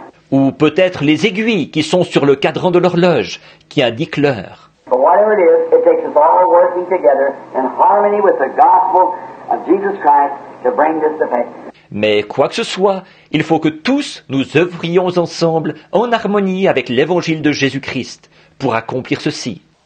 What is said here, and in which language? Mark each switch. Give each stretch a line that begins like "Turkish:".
French: Ou peut-être les aiguilles qui sont sur le cadran de l'horloge, qui indiquent l'heure.
English: But whatever it is, it takes us all working together in harmony with the gospel of Jesus Christ to bring this to pass.
French: Mais quoi que ce soit, il faut que tous nous œuvrions ensemble en harmonie avec l'évangile de Jésus-Christ pour accomplir ceci.